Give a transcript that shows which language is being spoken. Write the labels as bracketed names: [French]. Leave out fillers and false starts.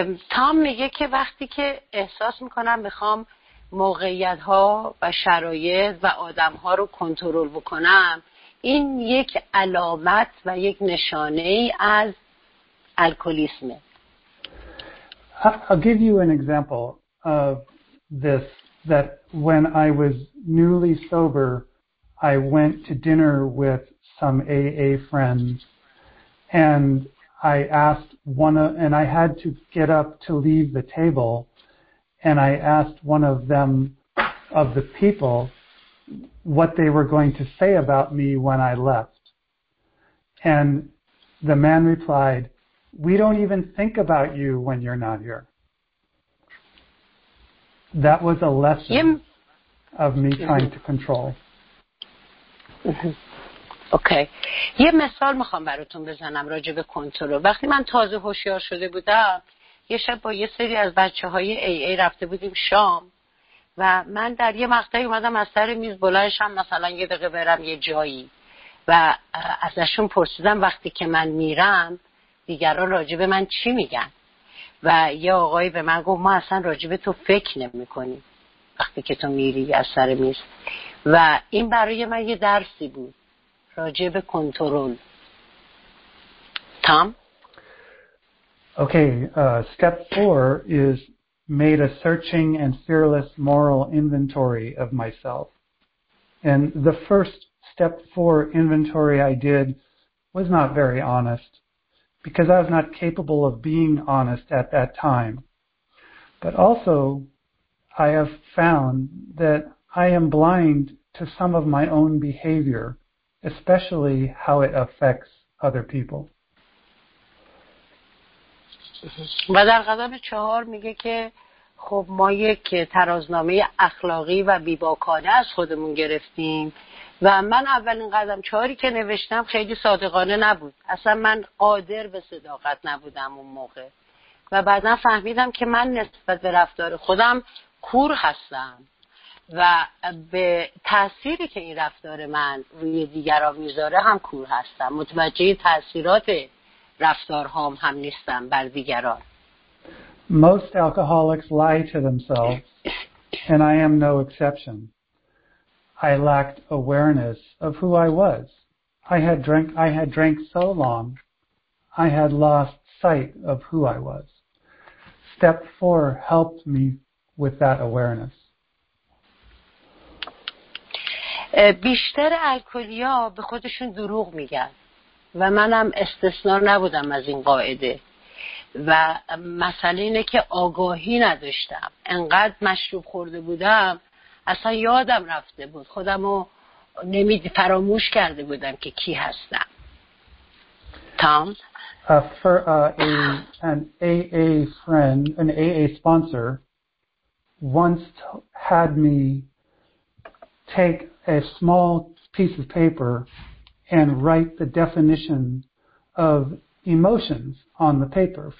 [Persian] Tom میگه که وقتی که احساس میکنم میخوام موقعیت ها و شرایط و آدم ها رو کنترل بکنم، این یک علامت و یک نشانه ای از الکلیسمه. [English] I'll give you an example of this, that when I was newly sober, I went to dinner with some AA friends and I asked and I had to get up to leave the table. And I asked one of them, of the people, what they were going to say about me when I left. And the man replied, "We don't even think about you when you're not here." That was a lesson of me trying to control. Okay. [Persian] یه مثال میخوام براتون بزنم راجع به کنترل. وقتی من تازه هوشیار شده بودم، یه شب با یه سری از بچه‌های AA رفته بودیم شام و من در یه مقطعی اومدم از سر میز بلندشم مثلا یه دقیقه برم یه جایی و ازشون پرسیدم وقتی که من میرم دیگران راجع به من چی میگن، و یه آقایی به من گفت ما اصلا راجع به تو فکر نمی‌کنیم وقتی که تو میری از سر میز. و این برای من یه درسی بود راجع به کنترل. تام؟ [English] Okay, step four is made a searching and fearless moral inventory of myself. And the first step four inventory I did was not very honest, because I was not capable of being honest at that time. But also, I have found that I am blind to some of my own behavior, especially how it affects other people. [Persian] و در قدم چهار میگه که خب ما یک ترازنامه اخلاقی و بیباکانه از خودمون گرفتیم و من اولین قدم چهاری که نوشتم خیلی صادقانه نبود، اصلا من قادر به صداقت نبودم اون موقع، و بعدا فهمیدم که من نسبت به رفتار خودم کور هستم و به تأثیری که این رفتار من روی دیگران میذاره هم کور هستم، متوجه تأثیراته رفتارهام هم نیستم بر دیگران. [English] Most alcoholics lie to themselves and I am no exception. I lacked awareness of who I was. I had drank so long I had lost sight of who I was. Step 4 helped me with that awareness. [Persian] بیشتر الکلیا به خودشون دروغ میگن و منم استثنا نبودم از این قاعده، و مسئله اینه که آگاهی نداشتم، انقدر مشروب خورده بودم اصلا یادم رفته بود، خودمو فراموش کرده بودم که کی هستم. تام؟ [English] An AA friend, an AA sponsor once had me take a small piece of paper and write the definition of emotions on the paper.